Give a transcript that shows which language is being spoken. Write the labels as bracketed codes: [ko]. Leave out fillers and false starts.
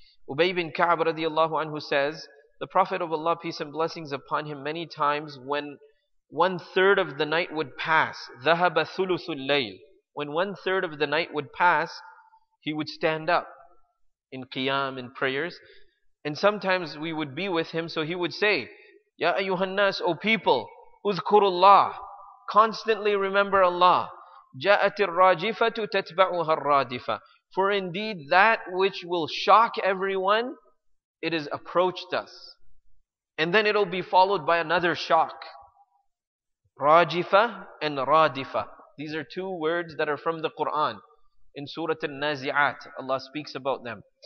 [en] Ubay bin Ka'b radiallahu anhu says, the Prophet of Allah, peace and blessings upon him, many times when one third of the night would pass, [ar] ذَهَبَ ثُلُثُ اللَّيْلِ, [en] when one third of the night would pass, he would stand up in qiyam, in prayers. And sometimes we would be with him, so he would say, [ar] يَا أَيُّهَا النَّاسُ, [en] O people, [ar] اُذْكُرُ اللَّهِ, [en] constantly remember Allah. [ar] جاءت الراجفة تتبعها الرادفة. [en] For indeed that which will shock everyone, it is approached us. And then it'll be followed by another shock. Rajifa and Radifa. These are two words that are from the Quran. In Surah Al-Nazi'at, Allah speaks about them.